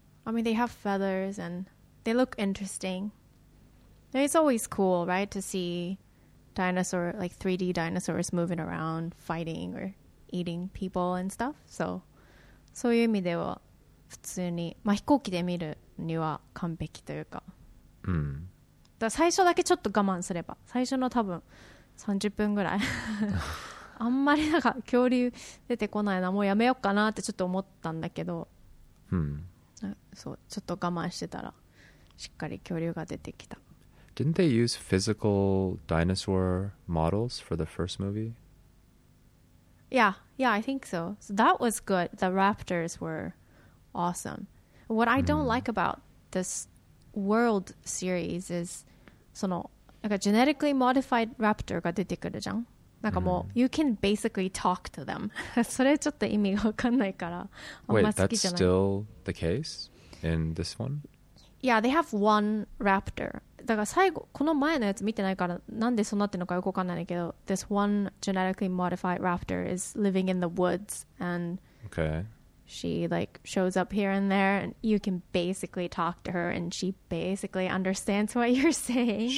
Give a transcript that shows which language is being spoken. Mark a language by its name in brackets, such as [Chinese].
[English] I mean, they have feathers and they look interesting. It's always cool, right, to see dinosaur, like 3D dinosaurs moving around, fighting or eating people and stuff. [Japanese] So, そういう意味では普通に、まあ飛行機で見るには完璧というか。だから最初だけちょっと我慢すれば、最初の多分30分ぐらい。あんまりなんか恐竜出てこないな、もうやめようかなってちょっと思ったんだけど。そう、ちょっと我慢してたらしっかり恐竜が出てきた。 [English] Didn't they use physical dinosaur models for the first movie? Yeah, yeah, I think so. So that was good. The raptors were awesome. What I don't like about this world series is [Japanese] そのなんか [English] genetically modified raptor [Japanese] が出てくるじゃん。なんかもう、 [English] you can basically talk to them. [Japanese] それちょっと意味がわかんないから、あんま好きじゃない。 [English] Wait, that's still the case in this one? Yeah, they have one raptor. [Japanese] だから最後、この前のやつ見てないから、なんでそうなってるのかよくわかんないけど、 [English] this one genetically modified raptor is living in the woods, and okay. she like shows up here and there, and you can basically talk to her, and she basically understands what you're saying.